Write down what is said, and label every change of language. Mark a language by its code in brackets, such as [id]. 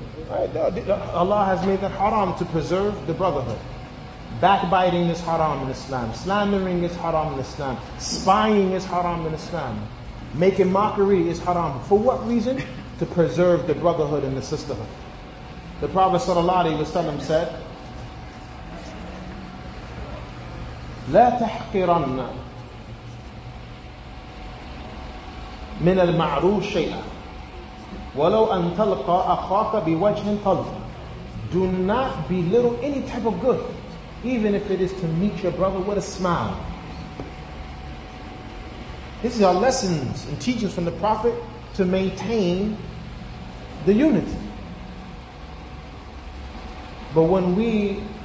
[en] Right, Allah has made that haram to preserve the brotherhood. Backbiting is haram in Islam. Slandering is haram in Islam. Spying is haram in Islam. Making mockery is haram. For what reason? To preserve the brotherhood and the sisterhood. The Prophet sallallahu alaihi wasallam said, [ar] لا تحقرن من المعروف شيئا ولو أن تلقى أخاك بوجه طلق. [en] Do not belittle any type of good, even if it is to meet your brother with a smile. These are lessons and teachings from the Prophet to maintain the unity. But when we